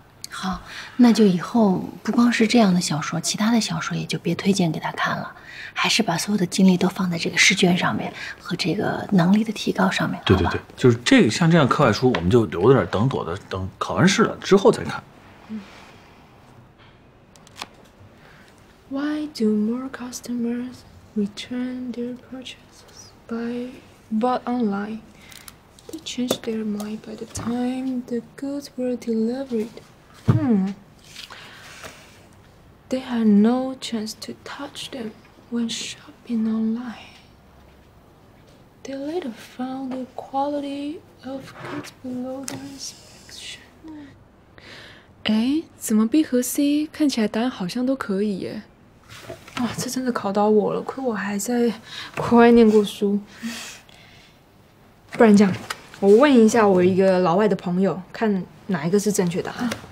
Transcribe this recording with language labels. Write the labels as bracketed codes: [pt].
[zh] 好，那就以后不光是这样的小说，其他的小说也就别推荐给他看了，还是把所有的精力都放在这个试卷上面和这个能力的提高上面。对对对，就是这个，像这样课外书我们就留在这儿，等朵朵等考完试了之后再看。 [en] Why do more customers return their purchases by bought online? They change their mind by the time the goods were delivered. They had no chance to touch them when shopping online. They later found the quality of goods below their inspection. [zh] 哎，怎么 B 和 C 看起来答案好像都可以耶？哇，这真的考倒我了，亏我还在国外念过书。不然这样，我问一下我一个老外的朋友，看哪一个是正确答案。